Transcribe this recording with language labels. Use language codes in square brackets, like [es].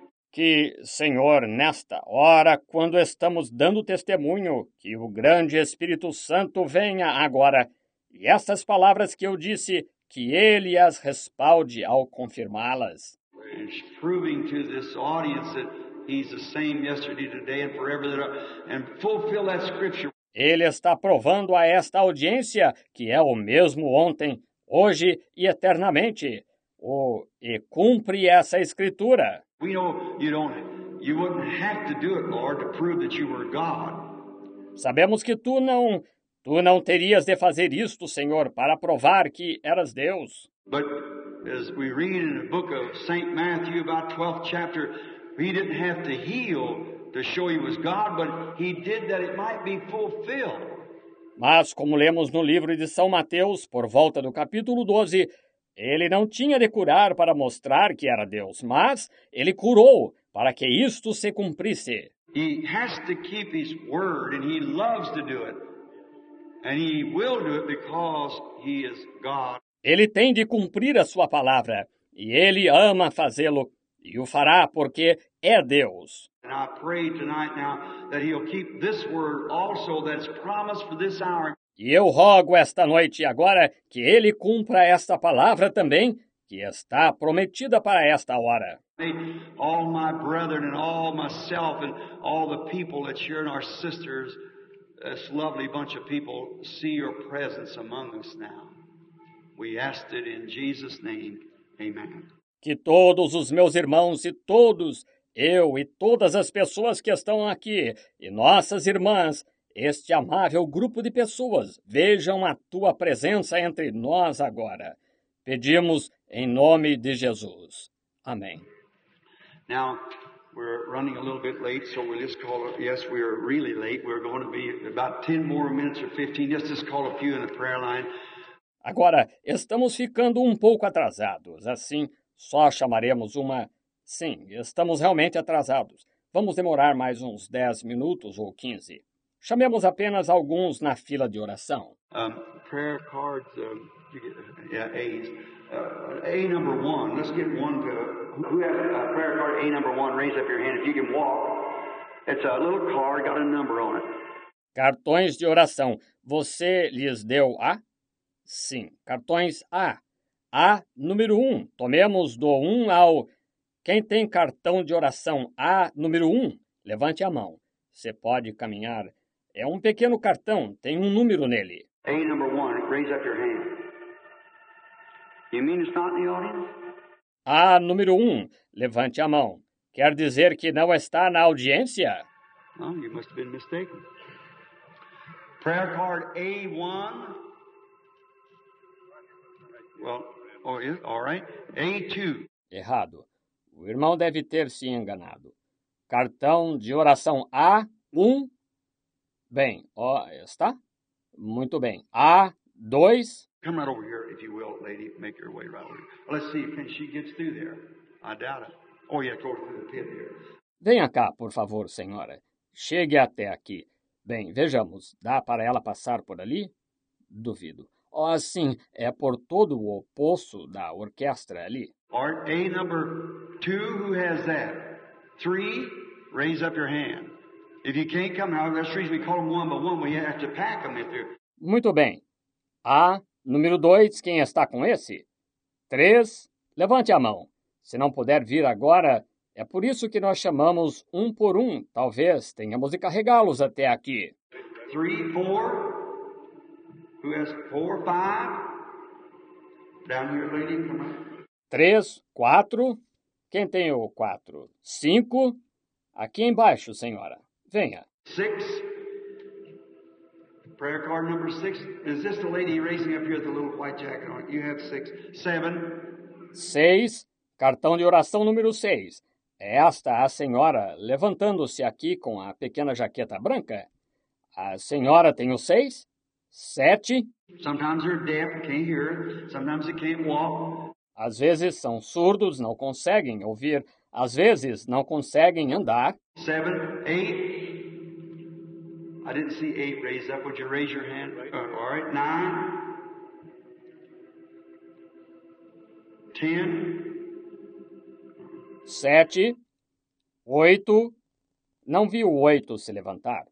[pt] Que, Senhor, nesta hora, quando estamos dando testemunho, que o grande Espírito Santo venha agora, e essas palavras que eu disse, que ele as respalde ao confirmá-las. [en] He's proving to this audience that he's the same yesterday, today and forever, and fulfill that scripture. [pt] Ele está provando a esta audiência que é o mesmo ontem, hoje e eternamente. E cumpre essa escritura. [en] We know you wouldn't have to do it, Lord, to prove that you were God. [pt] Sabemos que tu não terias de fazer isto, Senhor, para provar que eras Deus. [en] But as we read in the book of St. Matthew, about 12th chapter, he didn't have to heal to show he was God, but he did that it might be fulfilled. [pt] Mas como lemos no livro de São Mateus, por volta do capítulo 12, ele não tinha de curar para mostrar que era Deus, mas ele curou para que isto se cumprisse. [en] He has to keep his word, and he loves to do it. And he will do it because he is God. [pt] Ele tem de cumprir a sua palavra, e ele ama fazê-lo, e o fará porque é Deus. [en] And I pray tonight now that he'll keep this word also that's promised for this hour. [pt] E eu rogo esta noite agora que ele cumpra esta palavra também, que está prometida para esta hora. [en] All my brethren and all myself and all the people that you and our sisters, this lovely bunch of people, see your presence among us now. We ask it in Jesus' name. Amen. [pt] Que todos os meus irmãos e todos, eu e todas as pessoas que estão aqui, e nossas irmãs, este amável grupo de pessoas, vejam a tua presença entre nós agora. Pedimos em nome de Jesus. Amém. [en] Now, We're running a little bit late, so we'll just call. Yes, we're really late. We're going to be about 10 more minutes or 15. Just call a few in the prayer line. [pt] Agora, estamos ficando um pouco atrasados. Assim, só chamaremos uma... Sim, estamos realmente atrasados. Vamos demorar mais uns 10 minutos ou 15. Chamemos apenas alguns na fila de oração. [en] Prayer cards, yeah, A's. A number one, let's get one to... Who has a prayer card A number one? Raise up your hand if you can walk. It's a little card, got a number on it. [pt] Cartões de oração, você lhes deu A? Sim, cartões A. A número 1, tomemos do 1 ao... Quem tem cartão de oração A número 1, levante a mão. Você pode caminhar. É um pequeno cartão, tem um número nele. [en] A number 1, raise up your hand. You mean it's not in the audience? [pt] A número 1, levante a mão. Quer dizer que não está na audiência? [en] Oh, you must have been mistaken. Prayer card A1... Well, all right. A2. [pt] Errado. O irmão deve ter se enganado. Cartão de oração A1. Bem, ó, está? Muito bem. [en] A2. Come right over here, if you will, lady. Make your way right over here. Let's see, can she get through there? I doubt it. Oh, yeah, go through the pit here. [pt] Venha cá, por favor, senhora. Chegue até aqui. Bem, vejamos. Dá para ela passar por ali? Duvido. Oh, sim, é por todo o poço da orquestra ali. [en] Art A number 2, who has that? 3, raise up your hand. If you can't come out, that's the reason we call them one by one. We have to pack them if they're... [pt] Muito bem. A número 2, quem está com esse? 3, levante a mão. Se não puder vir agora, é por isso que nós chamamos um por um. Talvez tenhamos de carregá-los até aqui. [en] 3, 4... Who has 4, 5? Down here, lady, come on. [pt] 3, 4. Quem tem o 4? 5. Aqui embaixo, senhora. Venha. [en] 6. Prayer card number 6. Is this the lady raising up here with the little white jacket on? You have 6. 7. [pt] 6. Cartão de oração número 6. É esta a senhora levantando-se aqui com a pequena jaqueta branca? A senhora tem o 6? 7. [en] Sometimes they're deaf, can't hear. Sometimes they can't walk. [pt] Às vezes são surdos, não conseguem ouvir. Às vezes não conseguem andar. [en] 7, 8. I didn't see 8 raised up. Would you raise your hand? All right. 9. 10. [pt] 7. 8. Não vi o 8 se levantar.